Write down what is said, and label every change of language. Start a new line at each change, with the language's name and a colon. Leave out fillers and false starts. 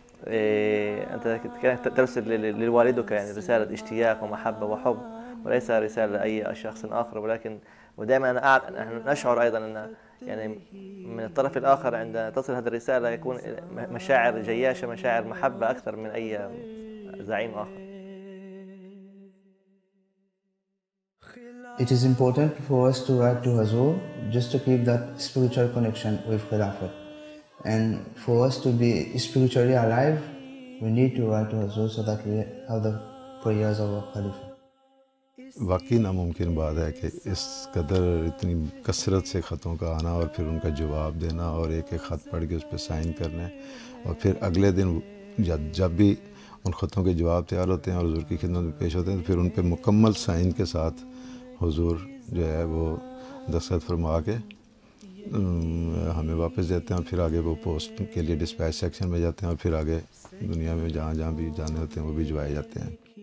Arabic: إيه انت ترسل لوالدك يعني رساله اشتياق ومحبه وحب وليس رساله لاي شخص اخر ولكن ودائما انا نشعر ايضا ان يعني من الطرف الاخر عند تصل هذه الرساله يكون مشاعر جياشه مشاعر محبه اكثر من اي زعيم اخر.
English: It is important for us to write to Huzur just to keep that spiritual connection with Khilafat. And for us to be spiritually alive, we need to write to Huzur so that we have the prayers of our Khalifa.
Hindi: वाकई नामुमकिन बात है कि इस कदर इतनी कसरत से खतों का आना और फिर उनका जवाब देना और एक एक खत पढ़ के उस पर साइन करना और फिर अगले दिन जब भी उन खतों के जवाब तैयार होते हैं और हुजूर की खिदमत में पेश होते हैं तो फिर उन पर मुकम्मल साइन के साथ हुजूर जो है वो दस्तखत फरमा के हमें वापस देते हैं और फिर आगे वो पोस्ट के लिए डिस्पैच सेक्शन में जाते हैं और फिर आगे दुनिया में जहाँ जहाँ भी जाने होते हैं वो भिजवाए जाते हैं।